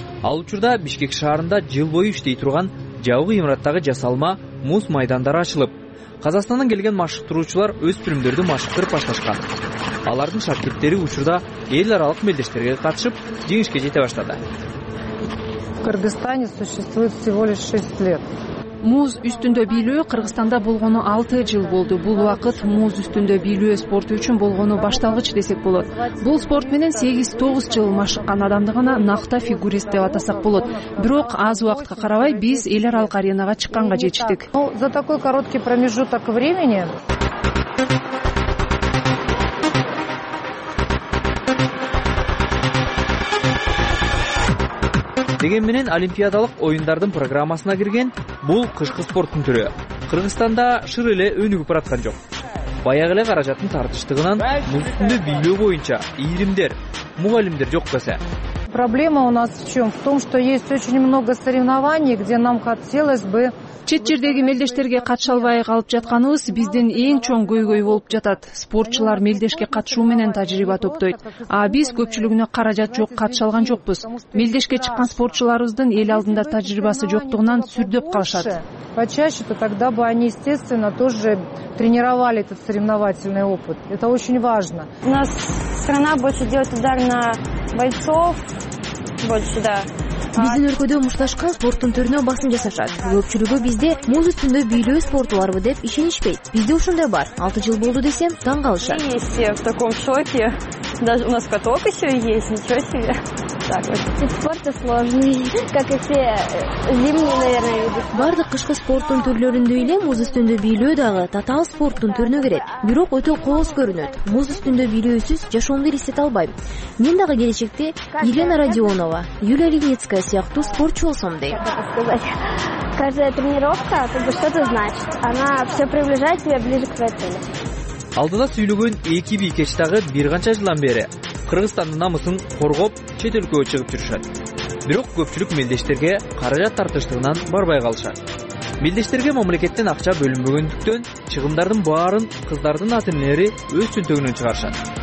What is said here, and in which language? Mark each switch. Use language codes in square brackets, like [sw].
[ky] Ал учурда Бишкек шаарында жыл бою иштей турган жабык имараттагы жасалма муз майдандары ачылып, Казакстандан келген машыктыруучулар өспүрүмдөрдү машыктырып башташкан. Алардын шакирттери учурда эл аралык мелдештерге катышып, жеңишке жете баштады. [ru] В Кыргызстане существует всего лишь 6 лет. [ky] Муз үстүндө бийлөө Кыргызстанда болгону 6 жыл болду. Бул вакыт муз үстүндө бийлөө спорту үчүн болгону башталгыч десек болот. Бул спорт менен 8-9 жыл машыккан адамды гана накта фигурист деп атасак болот. Бирок аз убакытка карабай биз эл аралык аренага чыкканга жетиштик. [ru] За такой короткий промежуток времени. [ky] Деген менен олимпиадалык оюндардын программасына кирген бул кышкы спорттун түрү Кыргызстанда шыр эле өнүгүп бараткан жок. Баягы эле каражаттын тартыштыгынан муз үстүндө бийлөө боюнча ийримдер, мугалимдер жок болсо. [ru] Проблема у нас в чем? В том, что есть очень много соревнований, где нам хотелось бы. [ky] Чет жердеги мелдештерге катыша албай калып жатканыбыз биздин эң чоң көйгөй болуп жатат. Спортчулар мелдешке катышуу менен тажрыйба топтойт. А биз көпчүлүгүнө каражат жок, катыша алган жокпуз. Мелдешке чыккан спортчуларыбыздын эл алдында тажрыйбасы жоктугунан сүрдөп калышат. [ru] Почаще-то тогда бы они, естественно, тоже тренировали этот соревновательный опыт. Это очень важно. У нас страна больше делает удар на бойцов. Больше, да. [ky] Биздин өлкөдө мушташкан спорттун түрүнө басым жасашат. Көпчүлүгү бизде муз үстүндө бийлөө спорту барбы деп ишенишпейт. Бизде ушундай бар. 6 жыл болду десем таң калышат. [ru] Мы все в таком шоке. Даже у нас каток еще есть. Ничего себе. Так вот. Вид спорта сложный. Как и все зимние, наверное, виды. [ky] Бардык кышкы спорттун түрлөрүндө эле муз үстүндө бийлөө дагы татаал спорттун түрүнө кирет. Бирок өтө кооз көрүнөт. Муз үстүндө бийлөөсүз жашоомду элестете албайм. Мен дагы келечекте Елена Родионова, Юлия Леницкая сияктуу спортчу болсом дейт. [ru] Каждая тренировка как бы что-то значит. Она все приближает тебя ближе к твоей цели. [ky] Алдыда сүйлөгөн эки бийкеч дагы бир канча жылдан бери Кыргызстандын намысын коргоп чет өлкөгө чыгып жүрүшөт. Бирок көпчүлүк мелдештерге каражат тартыштыгынан барбай калышат. Мелдештерге мамлекеттен акча бөлүнбөгөндүктөн чыгымдардын баарын кыздардын ата энелери өз түнтөгүнөн чыгарышат.